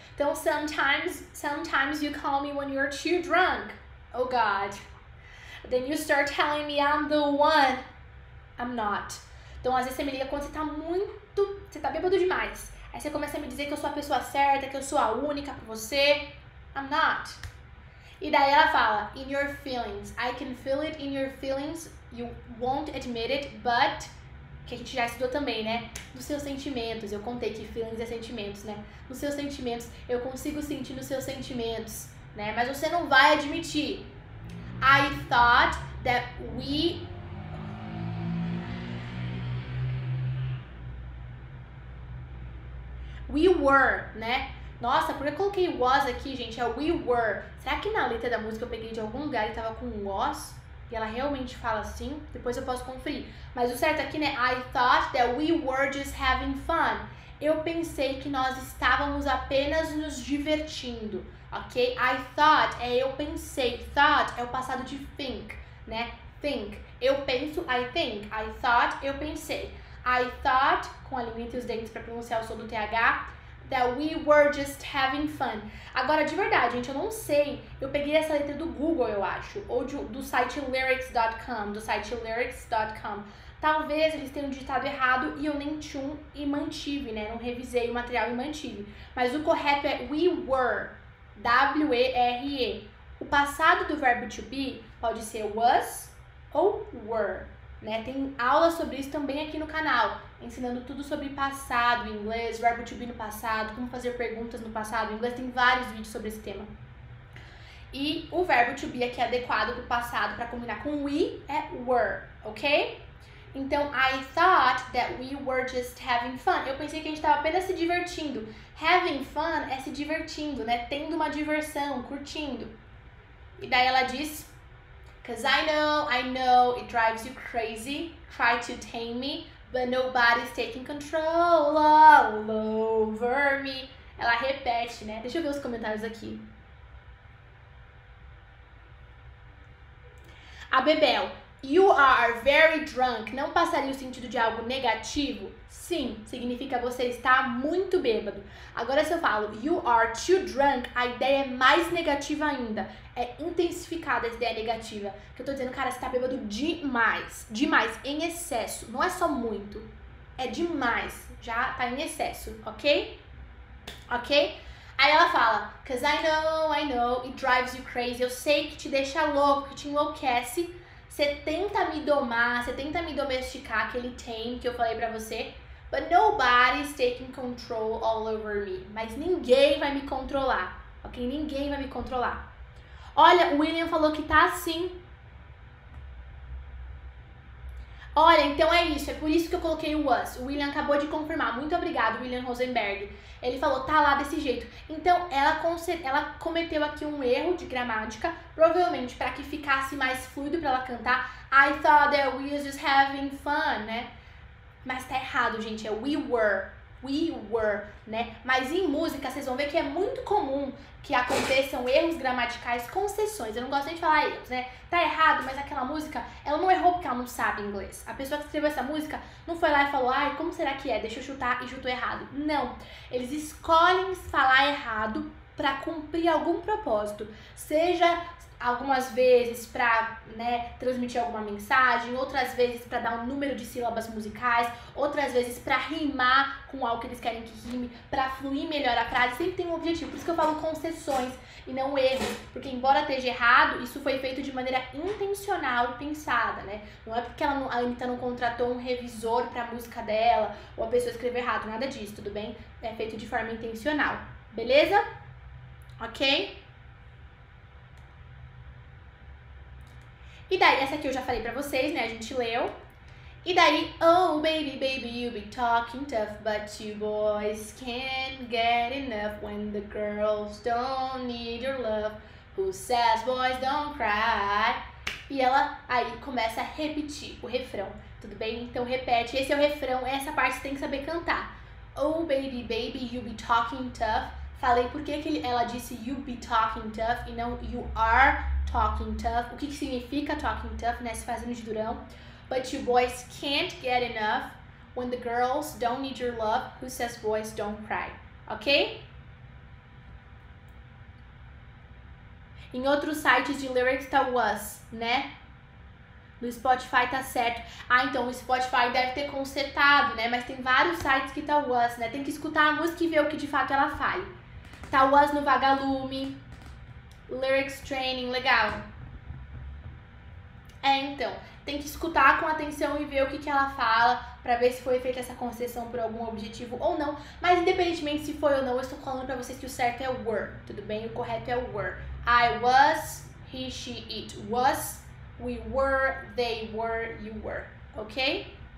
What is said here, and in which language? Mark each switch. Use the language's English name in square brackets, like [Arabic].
[Portuguese] Então, [English] sometimes you call me when you're too drunk. Oh, God. Then you start telling me I'm the one. I'm not. [Portuguese] Então, às vezes você me liga quando você tá muito... Você tá bêbado demais. Aí você começa a me dizer que eu sou a pessoa certa, que eu sou a única pra você. [English] I'm not. [Portuguese] E daí ela fala, [English] in your feelings. I can feel it in your feelings. You won't admit it, but... [Portuguese] Que a gente já estudou também, né? Nos seus sentimentos. Eu contei que feelings é sentimentos, né? Nos seus sentimentos. Eu consigo sentir nos seus sentimentos, né? Mas você não vai admitir. [English] I thought that we... We were, [Portuguese] né? Nossa, por que eu coloquei was aqui, gente? É we were. Será que na letra da música eu peguei de algum lugar e tava com was? E ela realmente fala assim? Depois eu posso conferir. Mas o certo aqui, né? [English] I thought that we were just having fun. [Portuguese] Eu pensei que nós estávamos apenas nos divertindo. Ok? [English] I thought, [Portuguese] é eu pensei. Thought é o passado de think, né? Think. Eu penso, [English] I think. I thought, [Portuguese] eu pensei. I thought, com a língua entre os dentes pra pronunciar o som do TH, [English] that we were just having fun. [Portuguese] Agora, de verdade, gente, eu não sei. Eu peguei essa letra do Google, eu acho. Ou do site lyrics.com. Do site lyrics.com. Talvez eles tenham digitado errado e eu nem tchum e mantive, né? Não revisei o material e mantive. Mas o correto é we were. W-E-R-E. O passado do verbo to be pode ser was ou were, né? Tem aula sobre isso também aqui no canal, ensinando tudo sobre passado em inglês, verbo to be no passado, como fazer perguntas no passado em inglês. Tem vários vídeos sobre esse tema. E o verbo to be aqui adequado do passado para combinar com we é were, ok? Então, [English] I thought that we were just having fun. [Portuguese] Eu pensei que a gente estava apenas se divertindo. Having fun é se divertindo, né? Tendo uma diversão, curtindo. E daí ela diz, [English] 'cause I know, it drives you crazy. Try to tame me, but nobody's taking control all over me. [Portuguese] Ela repete, né? Deixa eu ver os comentários aqui. A Bebel. [English] You are very drunk. [Portuguese] Não passaria o sentido de algo negativo? Sim, significa você está muito bêbado. Agora se eu falo [English] you are too drunk, [Portuguese] a ideia é mais negativa ainda. É intensificada essa ideia negativa. Que eu tô dizendo, cara, você tá bêbado demais. Demais, em excesso. Não é só muito. É demais. Já tá em excesso, ok? Ok? Aí ela fala, [English] 'cause I know, it drives you crazy. [Portuguese] Eu sei que te deixa louco, que te enlouquece. Você tenta me domar, você tenta me domesticar, aquele tame que eu falei pra você. [English] But nobody's taking control all over me. [Portuguese] Mas ninguém vai me controlar, ok? Ninguém vai me controlar. Olha, o William falou que tá assim. Olha, então é isso, é por isso que eu coloquei o was. O William acabou de confirmar. Muito obrigado, William Rosenberg. Ele falou, tá lá desse jeito. Então, ela cometeu aqui um erro de gramática, provavelmente pra que ficasse mais fluido pra ela cantar. [English] I thought that we were just having fun, né? [Portuguese] Mas tá errado, gente. É we were, né? Mas em música, vocês vão ver que é muito comum que aconteçam erros gramaticais com exceções. Eu não gosto nem de falar erros, né? Tá errado, mas aquela música, ela não errou porque ela não sabe inglês. A pessoa que escreveu essa música não foi lá e falou, ai, como será que é? Deixa eu chutar e chutou errado. Não. Eles escolhem falar errado para cumprir algum propósito, seja algumas vezes para, né, transmitir alguma mensagem, outras vezes para dar um número de sílabas musicais, outras vezes para rimar com algo que eles querem que rime, para fluir melhor a frase, sempre tem um objetivo. Por isso que eu falo concessões e não erros, porque embora esteja errado, isso foi feito de maneira intencional e pensada, né? Não é porque a Anitta não contratou um revisor para a música dela ou a pessoa escreveu errado, nada disso, tudo bem? É feito de forma intencional, beleza? Ok? E daí, essa aqui eu já falei pra vocês, né? A gente leu. E daí, [English] oh baby, baby, you be talking tough, but you boys can't get enough when the girls don't need your love. Who says boys don't cry? [Portuguese] E ela aí começa a repetir o refrão, tudo bem? Então repete, esse é o refrão, essa parte você tem que saber cantar. [English] Oh baby, baby, you be talking tough. [Portuguese] Falei por que que ela disse [English] you be talking tough [Portuguese] e não [English] you are talking tough, [Portuguese] o que que significa talking tough, né? Se fazendo de durão. [English] But you boys can't get enough when the girls don't need your love. Who says boys don't cry? Ok? [Portuguese] Em outros sites de lyrics tá was, né? No Spotify tá certo. Ah, então o Spotify deve ter consertado, né? Mas tem vários sites que tá was, né? Tem que escutar a música e ver o que de fato ela fala. Tá was no Vagalume. Lyrics training, legal. É, então, tem que escutar com atenção e ver o que que ela fala para ver se foi feita essa concessão por algum objetivo ou não. Mas independentemente se foi ou não, eu estou falando para vocês que o certo é were, tudo bem? O correto é were. [English] I was, he, she, it was, we were, they were, you were, ok?